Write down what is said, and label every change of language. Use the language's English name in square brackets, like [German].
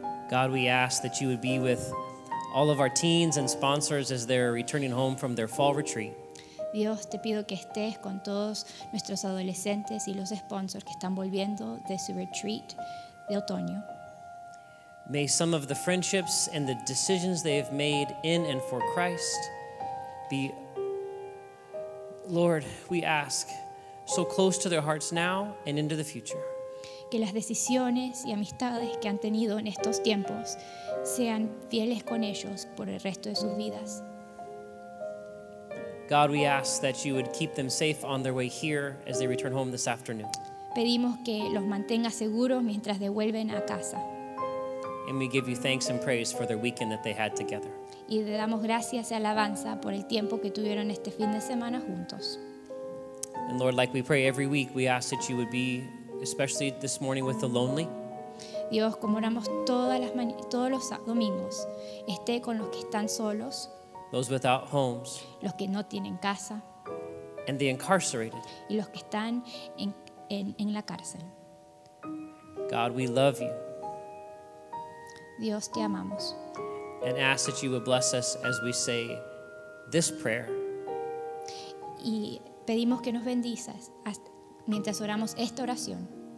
[English] God, we ask that you would be with all of our teens and sponsors as they're returning home from their fall retreat. [Spanish] Dios, te pido que estés con todos nuestros adolescentes y los sponsors que están volviendo de su retreat de otoño. [English] May some of the friendships and the decisions they have made in and for Christ be, Lord, we ask, so close to their hearts now and into the future. [Spanish] Que las decisiones y amistades que han tenido en estos tiempos sean fieles con ellos por el resto de sus vidas. [English] God, we ask that you would keep them safe on their way here as they return home this afternoon. [Spanish] Pedimos que los mantenga seguros mientras devuelven a casa. [English] And we give you thanks and praise for their weekend that they had together. [Spanish] Y le damos gracias y alabanza por el tiempo que tuvieron este fin de semana juntos. [English] And Lord, like we pray every week, we ask that you would be, especially this morning, with the lonely. [Spanish] Dios, como oramos todos los domingos, esté con los que están solos. [English] Those without homes. [Spanish] Los que no tienen casa. [English] And the incarcerated. [Spanish] Y los que están en la cárcel. [English] God, we love you. [Spanish] Dios, te amamos. [English] And ask that you would bless us as we say this prayer. [Spanish] Y pedimos que nos bendices mientras oramos esta oración.